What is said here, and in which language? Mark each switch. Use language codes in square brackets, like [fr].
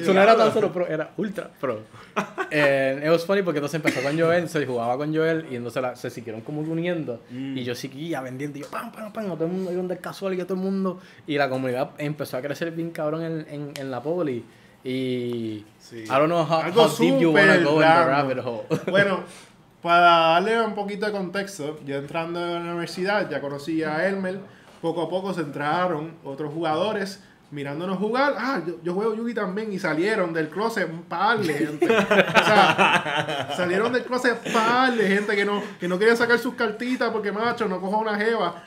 [es] Eso no era tan solo pro, era ultra pro. [en] It was funny [es] porque entonces empezó con Joel, se jugaba con Joel y entonces se siguieron como uniendo y yo seguía vendiendo y yo pam, todo el mundo iba de casual y todo el mundo y la comunidad empezó a crecer bien cabrón en la poli y [en] sí. I don't know how deep you wanna go in the rabbit hole. [es] Bueno, para darle un poquito de contexto, yo entrando a la universidad ya conocí a Elmer, poco a poco se entraron otros jugadores mirándonos jugar, yo juego Yugi también, y salieron del closet un par de gente. O sea, salieron del closet un par de gente que no quería sacar sus cartitas porque, macho, no cojo una jeva.